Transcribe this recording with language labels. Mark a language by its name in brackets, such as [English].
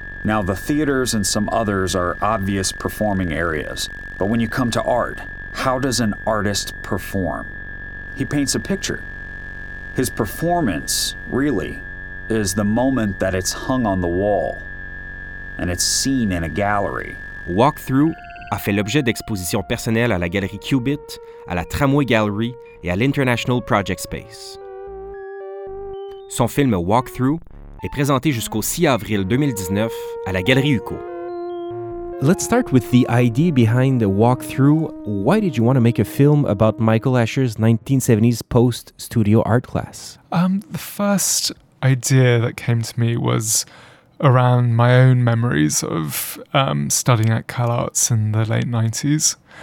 [English] Now, the theaters and some others are obvious performing areas. But when you come to art, how does an artist perform? He paints a picture. His performance, really, is the moment that it's hung on the wall and it's seen in a gallery. [French] Walkthrough a fait l'objet d'expositions personnelles à la Galerie Qubit, à la Tramway Gallery et à l'International Project Space. Son film Walkthrough est présenté jusqu'au 6 avril 2019 à la Galerie UCO. [English] Let's start with the idea behind the Walkthrough. Why did you want to make a film about Michael Escher's 1970s post-studio art class? The first idea that came to me was around my own memories of studying at CalArts in the late 90s.